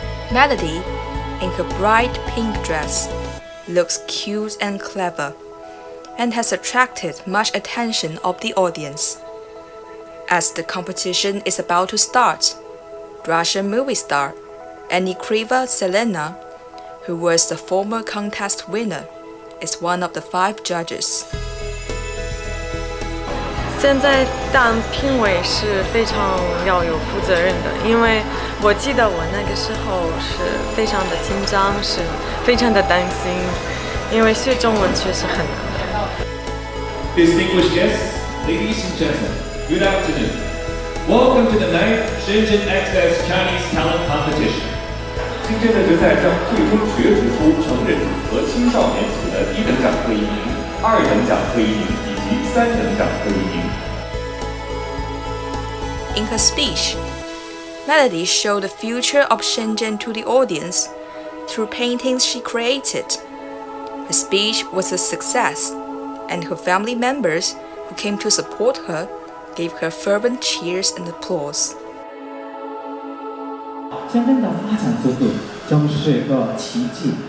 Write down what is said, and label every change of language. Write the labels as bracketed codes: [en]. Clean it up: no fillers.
[en] Melody, in her bright pink dress, looks cute and clever, and has attracted much attention of the audience. As the competition is about to start, Russian movie star Anikriva Selena, who was the former contest winner, is one of the 5 judges. [zh] 现在当评委是非常要有负责任的，因为我记得我那个时候是非常的紧张，是非常的担心，因为学中文确实很难。 [en] Distinguished guests, ladies and gentlemen, good afternoon. Welcome to the 9th Shenzhen Express Chinese Talent Competition. [zh] 今天的决赛将最终角逐出成人组和青少年组的一等奖会一名、二等奖会一名以及三等奖会一名。 [en] In her speech, Melody showed the future of Shenzhen to the audience through paintings she created. The speech was a success. And her family members who came to support her gave her fervent cheers and applause. [zh] 深圳的发展速度将是一个奇迹。